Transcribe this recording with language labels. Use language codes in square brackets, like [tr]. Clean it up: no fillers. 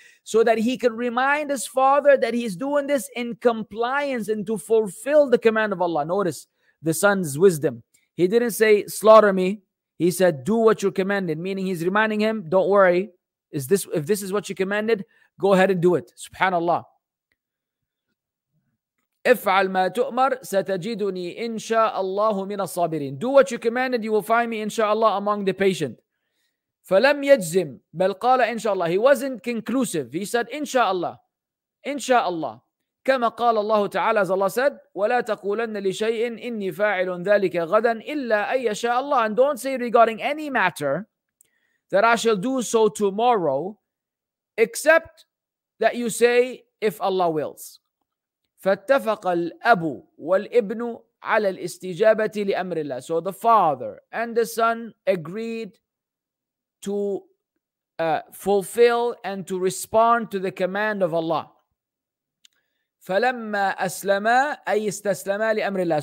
[en] So that he can remind his father that he's doing this in compliance and to fulfill the command of Allah. Notice the son's wisdom. He didn't say, slaughter me. He said, do what you commanded. Meaning he's reminding him, don't worry. If this is what you commanded, go ahead and do it. Subhanallah. [ar] افعل ما تؤمر ستجدني إن شاء الله من الصابرين. [en] Do what you commanded, you will find me إن شاء الله among the patient. [ar] فلم يجزم بل قال إن شاء الله. [en] He wasn't conclusive. He said [ar] إن شاء الله. إن شاء الله. كما قال الله تعالى, [en] as Allah said, [ar] ولا تقولن لشيء إني فاعل ذلك غدا إلا أن يشاء الله. [en] And don't say regarding any matter that I shall do so tomorrow, except that you say, if Allah wills. [ar] فاتفق الأب والابن على الاستجابة لأمر الله. [en] So the father and the son agreed to fulfill and to respond to the command of Allah. [ar] فلما أسلما أي استسلما لأمر الله.